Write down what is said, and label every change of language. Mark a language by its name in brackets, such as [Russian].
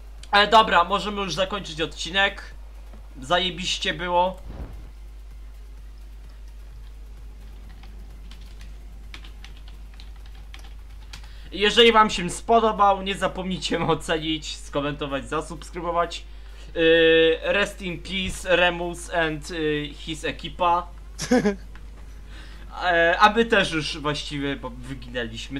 [Polish] Ale dobra, możemy już zakończyć odcinek. Zajebiście było. Jeżeli wam się spodobał, nie zapomnijcie ocenić, skomentować, zasubskrybować. [English] Rest in peace, Remus and his ekipa. [Polish] A my też już właściwie, bo wyginęliśmy.